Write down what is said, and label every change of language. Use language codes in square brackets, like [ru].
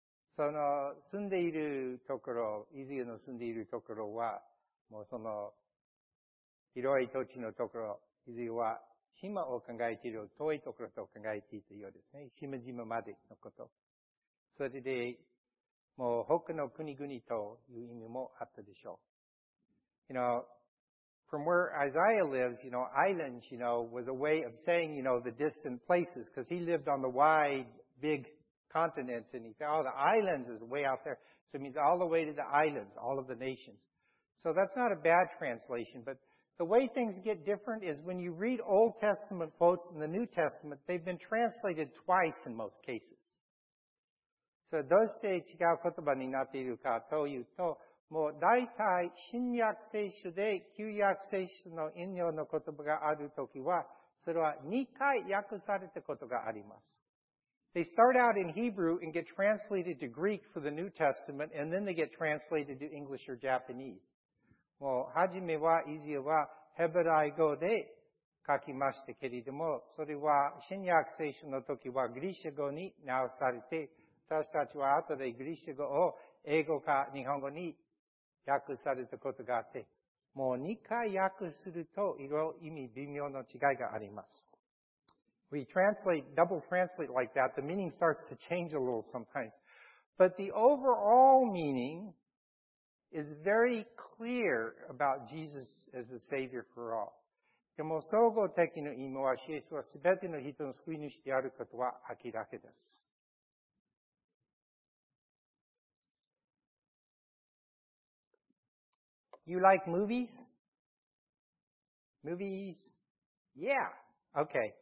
[ja] その住んでいるところ、伊豆の住んでいるところは、もうその広い土地のところ、伊豆は島を考えている、遠いところと考えていたようですね。島々までのこと。それで、もう北の国々という意味もあったでしょう。 [en] You know, from where Isaiah lives, you know, islands, you know, was a way of saying, you know, the distant places, because he lived on the wide, big,continents, and he said, oh, the islands is way out there. So it means all the way to the islands, all of the nations. So that's not a bad translation, but the way things get different is when you read Old Testament quotes in the New Testament, they've been translated twice in most cases. [ja] So どうして違う言葉になっているかというと、もう大体新約聖書で旧約聖書の引用の言葉があるときは、それは2回訳されたことがあります。 [en] They start out in Hebrew and get translated to Greek for the New Testament, and then they get translated to English or Japanese. [ja] もう、はじめは、イズヤは、ヘブライ語で書きましたけれども、それは、新約聖書の時は、ギリシャ語に直されて、私たちは後でギリシャ語を英語か日本語に訳されたことがあって、もう2回訳すると、いろいろ意味微妙の違いがあります。 [en] We translate, double translate like that, the meaning starts to change a little sometimes. But the overall meaning is very clear about Jesus as the Savior for all. [ja] でも、総合的な意味は、イエスは全ての人の救い主であることは明らかです。 [en] You like movies? Movies? Yeah. Okay.